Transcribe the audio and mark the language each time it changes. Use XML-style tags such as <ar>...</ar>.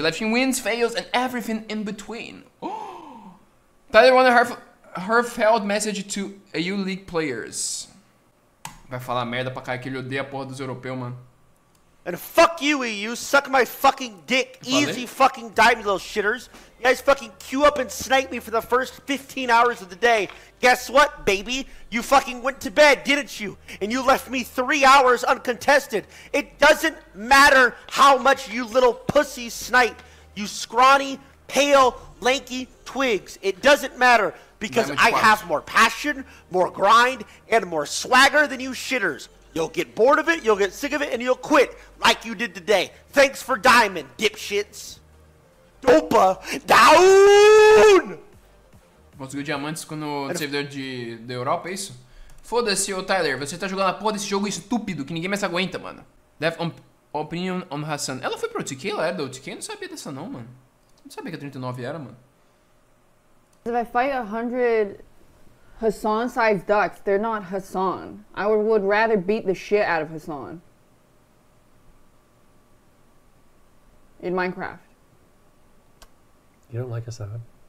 <en>Livestream wins, fails, and everything in between. Tyler won a heartfelt message to EU League players.</en> <pt>Vai falar merda pra cara que ele odeia a porra dos europeus, mano.</pt> <en>And fuck you, EU. Suck my fucking dick. Valeu? Easy fucking diamond, little shitters. You guys fucking queue up and snipe me for the first 15 hours of the day. Guess what, baby? You fucking went to bed, didn't you? And you left me 3 hours uncontested. It doesn't matter how much you little pussy snipe. You scrawny, pale, lanky twigs. It doesn't matter because I have more passion, more grind, and more swagger than you shitters. You'll get bored of it, you'll get sick of it, and you'll quit like you did today. Thanks for diamond, dipshits. Dopa down!</en> <pt>Conseguiu diamantes no servidor de Europa, é isso? Foda-se, ô Tyler, você tá jogando a porra desse jogo estúpido que ninguém mais aguenta, mano.</pt> <en>Death opinion on Hassan.</en> <pt>Ela foi pro TK, ela era do TK? Eu não sabia dessa não, mano. Eu não sabia que a 39 era, mano.</pt> <en>If I fight 100 Hassan-sized ducks, they're not Hassan. I would rather beat the shit out of Hassan. In Minecraft. You don't like Hassan?</en>